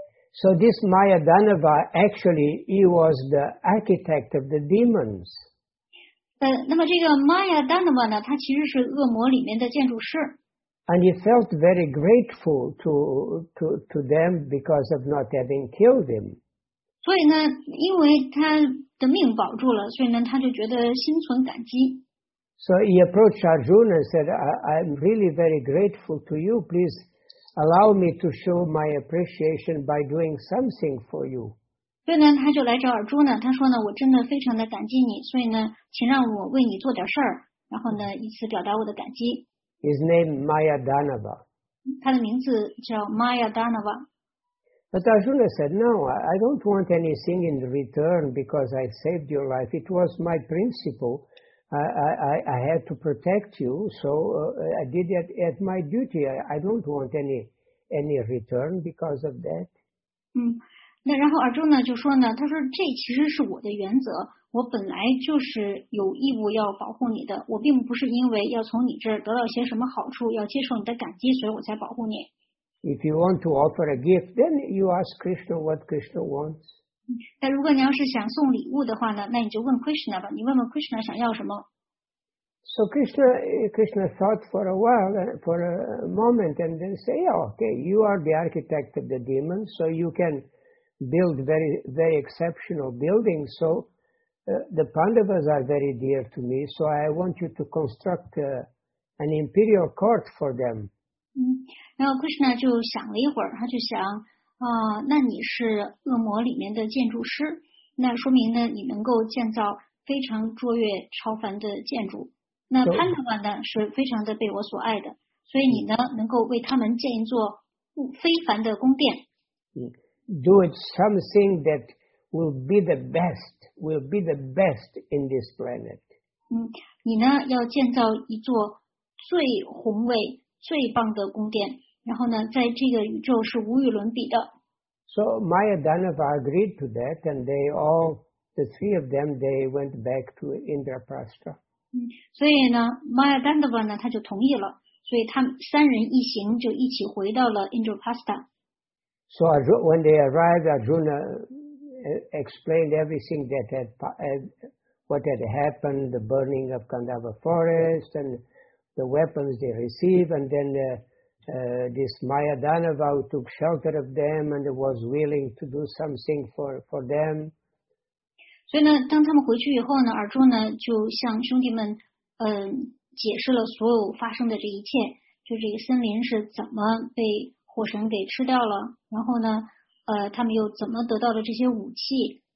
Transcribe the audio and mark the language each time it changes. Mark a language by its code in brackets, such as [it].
[en] So this Maya Danava, actually, he was the architect of the demons. [zh] 那么这个 Maya Danava 呢，他其实是恶魔里面的建筑师。 [en] And he felt very grateful to them because of not having killed him. [zh] 所以呢，因为他的命保住了，所以呢，他就觉得心存感激。 [en] So he approached Arjuna and said, "I'm really very grateful to you, please." Allow me to show my appreciation by doing something for you. [zh] 所以呢，他就来找尔朱呢。他说呢，我真的非常的感激你，所以呢，请让我为你做点事儿，然后呢，以此表达我的感激。 [en] His name Maya Danava. [zh] 他的名字叫 Maya Danava. [en] But Arjuna said, "No, I don't want anything in return because I saved your life. It was my principle. I had to protect you, so I did it at my duty. I don't want any return because of that." [zh] 那然后尔朱呢就说呢，他说这其实是我的原则，我本来就是有义务要保护你的，我并不是因为要从你这儿得到些什么好处，要接受你的感激，所以我才保护你。 [en] If you want to offer a gift, then you ask Krishna what Krishna wants. [zh] 但如果你要是想送礼物的话呢，那你就问 Krishna 吧，你问问 Krishna 想要什么。 [en] So Krishna thought for a while, for a moment, and then say, "Okay, you are the architect of the demons, so you can build very, very exceptional buildings. So the Pandavas are very dear to me, so I want you to construct an imperial court for them. [zh] 嗯，然后 Krishna 就想了一会儿，他就想，啊，那你是恶魔里面的建筑师，那说明呢，你能够建造非常卓越超凡的建筑。那潘德瓦呢，是非常的被我所爱的，所以你呢，能够为他们建一座非凡的宫殿。 [en] Do it something that will be the best, will be the best in this planet. [zh] 嗯，你呢要建造一座最宏伟、最棒的宫殿，然后呢，在这个宇宙是无与伦比的。 [en] So Maya Dhanava agreed to that, and they all, the three of them, they went back to Indraprastha. [zh] 嗯，所以呢 ，Maya Dhanava 呢，他就同意了，所以他们三人一行就一起回到了 Indraprastha。 [en] So when they arrived, Arjuna explained everything that had, what had happened, the burning of Kandava forest and the weapons they received, and then this Maya Dhanava took shelter of them and was willing to do something for them. [zh] 所以呢，当他们回去以后呢，Arjuna就向兄弟们解释了所有发生的这一切，就这个森林是怎么被火神给吃掉了，然后呢，他们又怎么得到了这些武器？